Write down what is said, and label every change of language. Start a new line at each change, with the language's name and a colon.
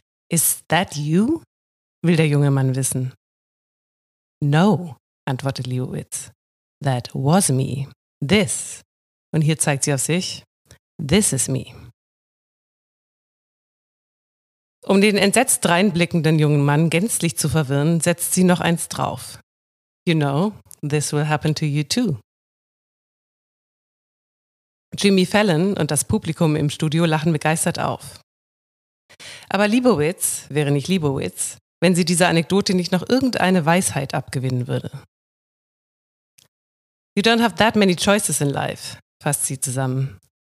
English: Is that you?
German: Will der junge Mann wissen. No, antwortet Lebowitz.
English: That was me. This.
German: Und hier zeigt sie auf sich.
English: This is me.
German: Um den entsetzt reinblickenden jungen Mann gänzlich zu verwirren, setzt sie noch eins drauf.
English: You know, this will happen to you too.
German: Jimmy Fallon und das Publikum im Studio lachen begeistert auf. Aber Lebowitz wäre nicht Lebowitz, wenn sie dieser Anekdote nicht noch irgendeine Weisheit abgewinnen würde.
English: You don't have that many choices in life,
German: fasst sie zusammen.